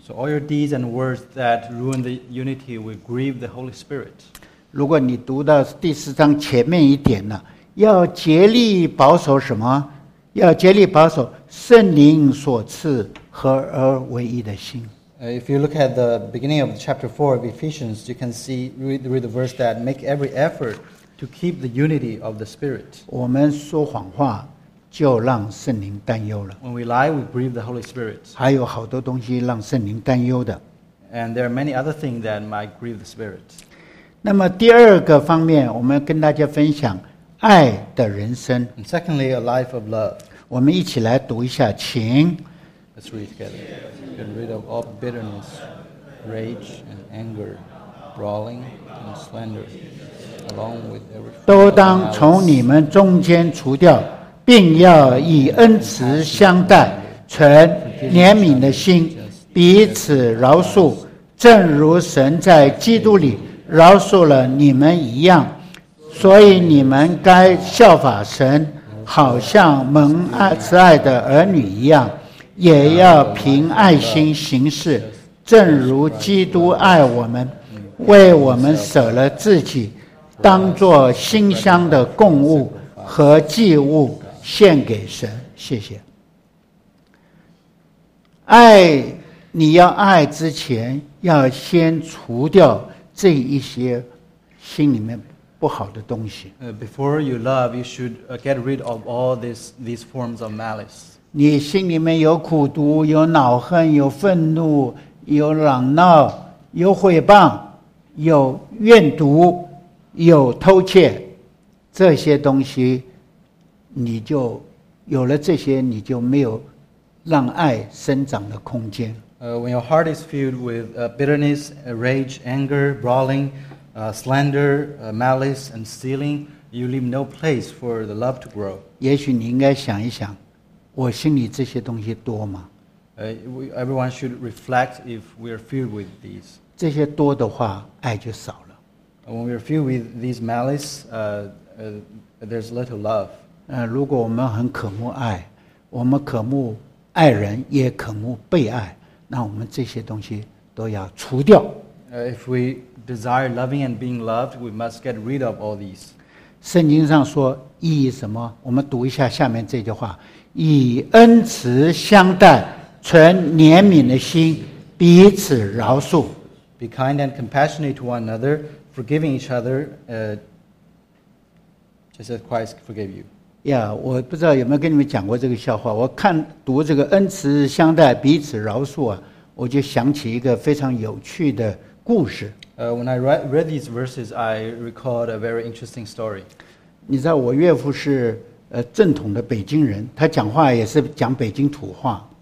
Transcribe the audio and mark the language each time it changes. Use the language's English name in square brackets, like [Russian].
[English] So all your deeds and words that ruin the unity will grieve the Holy Spirit. [Chinese] 如果你读到第四章前面一点呢，要竭力保守什么？要竭力保守圣灵所赐合而为一的心。 [English] If you look at the beginning of chapter 4 of Ephesians, you can see, read the verse that make every effort to keep the unity of the Spirit. [Chinese] 我们说谎话就让圣灵担忧了。 [English] When we lie, we grieve the Holy Spirit. [Chinese] 还有好多东西让圣灵担忧的。 [English] And there are many other things that might grieve the Spirit. [Chinese] 那么第二个方面，我们跟大家分享爱的人生。 [English] And secondly, a life of love. [Chinese] 我们一起来读一下，请。 [English] Let's read together. Get rid of all bitterness, rage, and anger, brawling, and slander, along with every. [Chinese] 都当从你们中间除掉。并要以恩慈相待，存怜悯的心，彼此饶恕，正如神在基督里饶恕了你们一样。所以你们该效法神，好像蒙爱慈爱的儿女一样，也要凭爱心行事，正如基督爱我们，为我们舍了自己，当作馨香的供物和祭物献给神。谢谢。爱，你要爱之前要先除掉这一些心里面不好的东西。 [English] Before you love, you should get rid of all these forms of malice. [Chinese] 你心里面有苦毒，有恼恨，有愤怒，有嚷闹，有毁谤，有怨毒，有偷窃，这些东西你就有了这些，你就没有让爱生长的空间。 [English] When your heart is filled with bitterness, rage, anger, brawling, slander, malice, and stealing, you leave no place for the love to grow. [Chinese] 也许你应该想一想，我心里这些东西多吗？ [English] Everyone should reflect if we are filled with these. [Chinese] 这些多的话，爱就少了。 [English] When we are filled with these malice, there's little love. [Chinese] 如果我们很渴慕爱，我们渴慕爱人，也渴慕被爱，那我们这些东西都要除掉。 [English] If we desire loving and being loved, we must get rid of all these. [Chinese] 圣经上说以什么？我们读一下下面这句话：以恩慈相待，存怜悯的心，彼此饶恕。 [English] Be kind and compassionate to one another, forgiving each other, just as Christ forgave you. [Chinese] Yeah, 我不知道有没有跟你们讲过这个笑话。我看读这个恩慈相待彼此饶恕啊，我就想起一个非常有趣的故事。 [English] When I read these verses, I recalled a very interesting story. [Chinese] 你知道我岳父是正统的北京人，他讲话也是讲北京土话。